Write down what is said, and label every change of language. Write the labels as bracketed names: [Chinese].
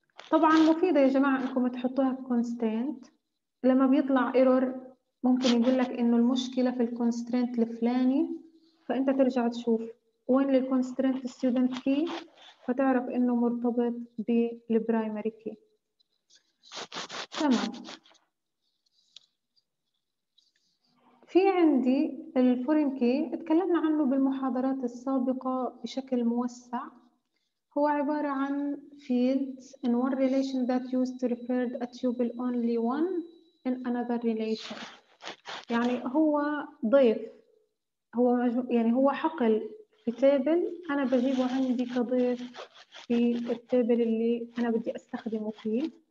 [Arabic] طبعاً مفيدة يا جماعة أنكم تحطوها في constraint، لما بيطلع error ممكن يقول لك إنه المشكلة في الconstraint الفلاني، فأنت ترجع تشوف وين الconstraint student key، فتعرف إنه مرتبط بالprimary key. تمام. في عندي الفورين كي، اتكلمنا عنه بالمحاضرات السابقة بشكل موسع. هو عبارة عن [English] fields in one relation that used to refer a tuple only one in another relation. [Arabic] يعني هو ضيف، هو يعني هو حقل في تابل أنا بجيبه عندي كضيف في التابل اللي أنا بدي أستخدمه فيه.